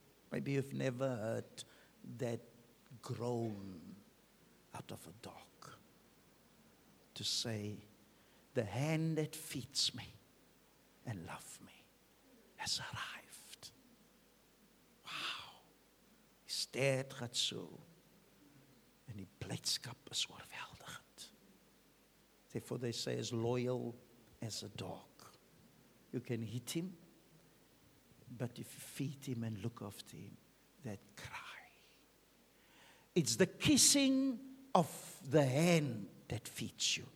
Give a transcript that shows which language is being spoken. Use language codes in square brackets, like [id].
[en] Maybe you've never heard that groan out of a dog to say, the hand that feeds me and loves me has arrived. Wow. His dad gaat zo. [nl] En die blijdschap is overweldigend. [en] Therefore they say, as loyal as a dog. You can hit him, but if you feed him and look after him, that cry. It's the kissing of the hand that feeds you.